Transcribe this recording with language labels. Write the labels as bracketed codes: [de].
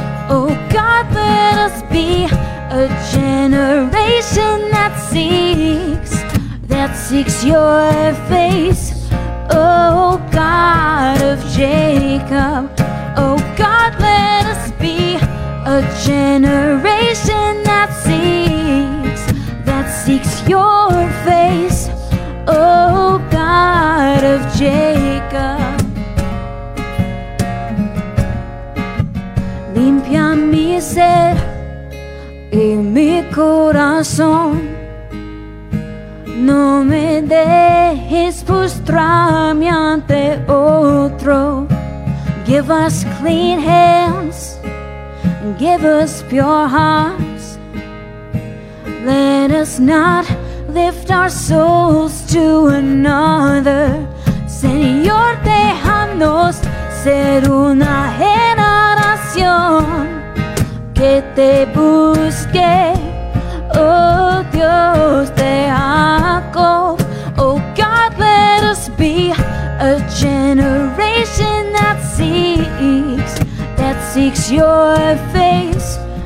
[en] Oh God, let us be a generation that seeks your face. Oh God of Jacob, oh God, let us be a generation that seeks your face. Oh God of Jacob, [es] limpia mi ser y mi corazón. No me dejes postrarme ante otro. [en] Give us clean hands and give us pure hearts. Let us not lift our souls to another. [es] Señor, déjanos ser una generación que te busque. Oh Dios de Jacob, [en] oh God, let us be a generation that seeks your face.